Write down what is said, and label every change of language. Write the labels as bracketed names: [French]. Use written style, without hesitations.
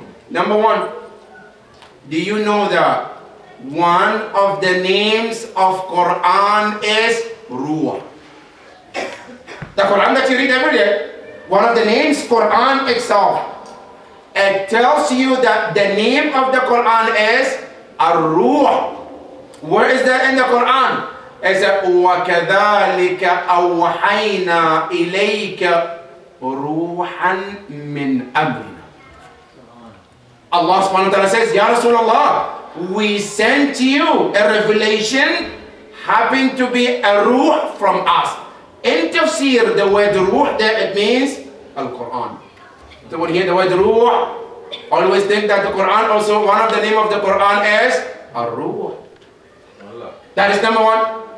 [English] Number one, do you know that one of the names of Quran is Ruh? The Quran that you read every day, one of the names, Quran itself, it tells you that the name of the Quran is Ar-Ruh. Where is that in the Quran? It's a [Arabic] وَكَذَلِكَ أَوْحَيْنَا إِلَيْكَ رُوحًا مِّنْ أَمْرِنَا. [English] Allah subhanahu wa ta'ala says, Ya Rasulullah, we sent you a revelation happened to be a ruh from us. In tafsir, the word ruh there, it means Al-Quran. So when you hear the word ruh, always think that the Quran also, one of the name of the Quran is Ar-Ruh. That is number one.